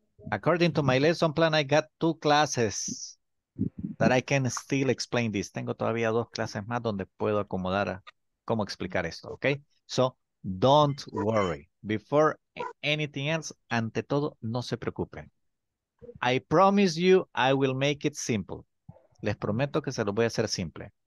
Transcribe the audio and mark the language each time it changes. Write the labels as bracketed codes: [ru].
[en] According to my lesson plan, I got 2 classes that I can still explain this. [es] Tengo todavía 2 clases más donde puedo acomodar a cómo explicar esto, ¿ok? [en] So, don't worry. Before anything else, [es] ante todo, no se preocupen. [en] I promise you I will make it simple. [es] Les prometo que se lo voy a hacer simple.